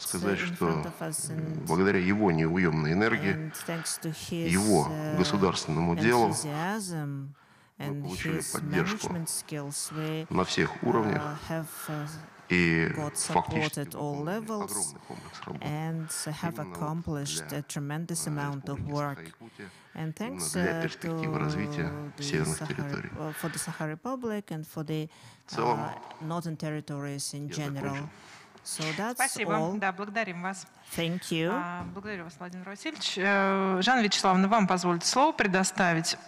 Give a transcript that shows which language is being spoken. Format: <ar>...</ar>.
<ru>сказать, что благодаря его неуемной энергии, его государственному делу, мы получили поддержку на всех уровнях и фактически выполнили огромный комплекс работы.</ru> <en>And have accomplished a tremendous amount of work. And thanks to the Sahara Republic and for the northern territories in general. So that's</en> <ru>Спасибо.</ru> <en>All.</en> <ru>Да, благодарим вас.</ru> <en>Thank you.</en> <ru>Благодарю вас, Владимир Васильевич. Жанна Вячеславовна, вам позвольте слово предоставить.</ru>